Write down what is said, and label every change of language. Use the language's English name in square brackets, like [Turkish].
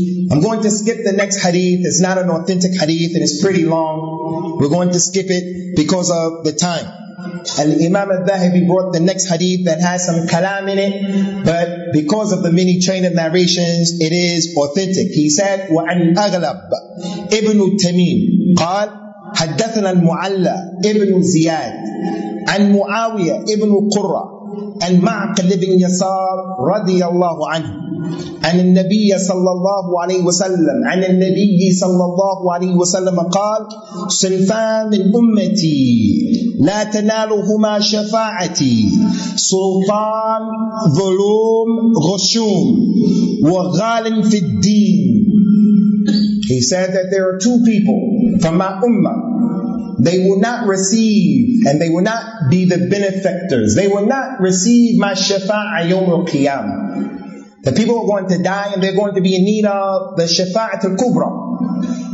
[English] I'm going to skip the next hadith. It's not an authentic hadith and it's pretty long. We're going to skip it because of the time. And Imam al-Dhahibi brought the next hadith that has some kalam in it, but because of the many chain of narrations, it is authentic. He said, [Arabic] وَعَنْ أَغْلَبْ إِبْنُ تَمِيمٍ قَالْ حَدَّثْنَا الْمُعَلَّى إِبْنُ زِيَادٍ عَنْ مُعَاوِيَ إِبْنُ قُرَّى عَنْ مَعْقِلِ بْنْ يَسَارٍ رَضِيَ اللَّهُ عَنْهُ عن النبي صلى الله عليه وسلم عن النبي صلى الله عليه وسلم قال صنفان من أمتي لا تنالهما شفاعتي سلطان ظلوم غشوم وغال في الدين. [English] He said that there are two people from my ummah. They will not receive, and they will not be the benefactors. They will not receive my shafa'a yawm al-qiyamah. The people are going to die and they're going to be in need of the Shafa'at al-Kubra.